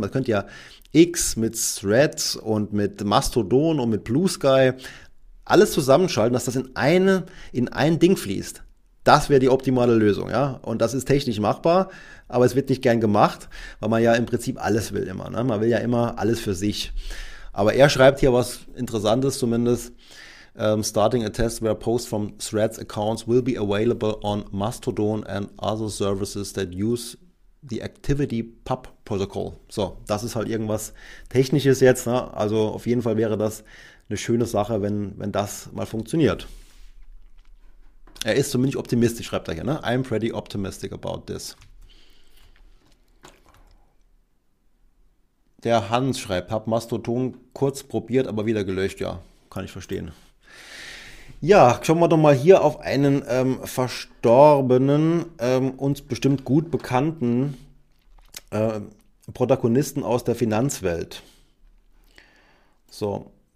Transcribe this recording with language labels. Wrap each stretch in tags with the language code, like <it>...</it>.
<de>Man könnte ja X mit Threads und mit Mastodon und mit Blue Sky alles zusammenschalten, dass das in ein Ding fließt. Das wäre die optimale Lösung, ja. Und das ist technisch machbar, aber es wird nicht gern gemacht, weil man ja im Prinzip alles will immer. Ne? Man will ja immer alles für sich. Aber er schreibt hier was Interessantes zumindest.</de> <en>Starting a test where posts from Threads accounts will be available on Mastodon and other services that use the ActivityPub Protocol.</en> <de>So, das ist halt irgendwas Technisches jetzt. Ne? Also auf jeden Fall wäre das eine schöne Sache, wenn das mal funktioniert. Er ist zumindest optimistisch, schreibt er hier. Ne?</de> <en>I'm pretty optimistic about this.</en> <de>Der Hans schreibt, hab Mastodon kurz probiert, aber wieder gelöscht. Ja, kann ich verstehen. Ja, schauen wir doch mal hier auf einen verstorbenen, uns bestimmt gut bekannten Protagonisten aus der Finanzwelt. So.</de>